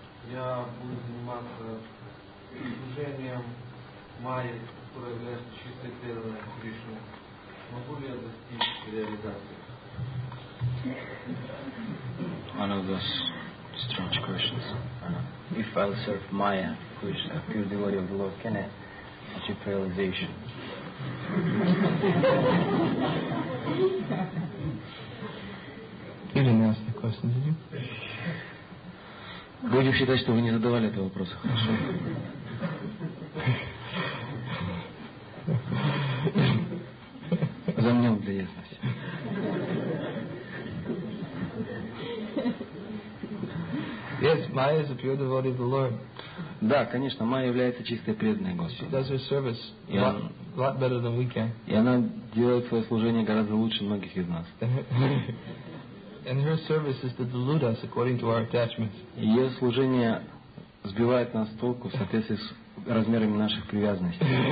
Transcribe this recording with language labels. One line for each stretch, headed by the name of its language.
Russian: Я буду заниматься служением Майи, которая является чистой преданной Кришне. Могу ли я достичь реализации?
English: One of those strange questions. If I serve Maya, who is a pure devotee of the Lord, can I achieve realization? You didn't ask the question, did you?
Russian: Будем считать, что вы не задавали этого вопроса. Хорошо. Замнем для ясности.
English: Yes, Maya is a pure devotee of the Lord.
Russian: Да, конечно, Maya является чистой преданной Господу.
English: She does her service a lot better than we can.
Russian: И она делает свое служение гораздо лучше многих из нас.
English: And her service is to delude us according to our attachments.
Russian: Ее служение сбивает нас с толку в соответствии с размерами наших привязанностей.